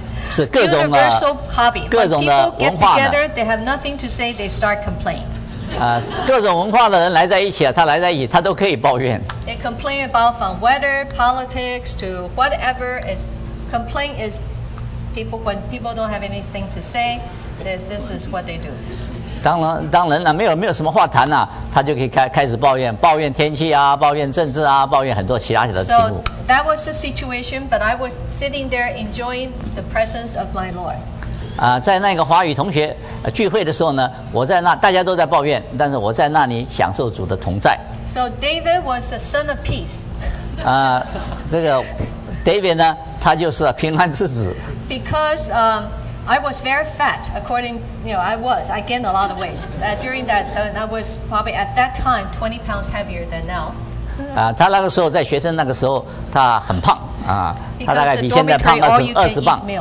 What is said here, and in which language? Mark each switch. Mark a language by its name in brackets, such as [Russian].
[Chinese] 是各种的各种的文化的 [English] together, they have nothing to say, they start complaining. [Chinese] 各种文化的人来在一起他来在一起他都可以抱怨 [English] they complain about from weather, politics to whatever is complain is people, when people don't have anything to say, this is what they do. [Chinese] 当人啊，没有什么话谈啊，他就可以开始抱怨，抱怨天气啊，抱怨政治啊，抱怨很多其他的题目。 [English] So that was the situation, but I was sitting there enjoying the presence of my Lord. [Chinese] 在那个华语同学聚会的时候呢，我在那大家都在抱怨，但是我在那里享受主的同在。 [English] So David was the son of peace. [Chinese] 这个 David 呢，他就是平安之子。 [English] Because I was very fat, according, you know, I gained a lot of weight. During that, I was probably at that time 20 pounds heavier than now. [Chinese] 他那个时候在学生那个时候他很胖他大概比现在胖20磅。